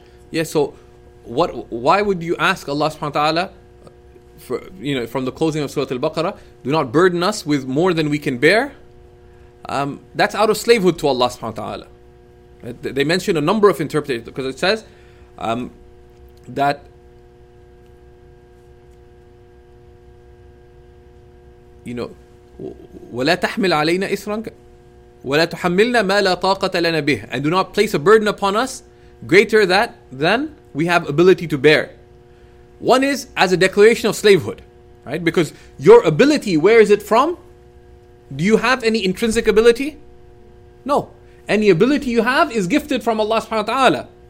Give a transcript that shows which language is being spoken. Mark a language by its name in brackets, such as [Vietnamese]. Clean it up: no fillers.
[English] Yeah, so why would you ask Allah subhanahu wa ta'ala for, you know, from the closing of Surah Al-Baqarah, do not burden us with more than we can bear? That's out of slavehood to Allah subhanahu wa ta'ala. They mention a number of interpretations, because it says that [Arabic] وَلَا تَحْمِلْ عَلَيْنَا إِسْرًا وَلَا تُحَمِّلْنَا مَا لَا طَاقَةَ لَنَا بِهِ. [English] And do not place a burden upon us greater than we have ability to bear. One is as a declaration of slavehood, right? Because your ability, where is it from? Do you have any intrinsic ability? No. Any ability you have is gifted from Allah subhanahu wa ta'ala.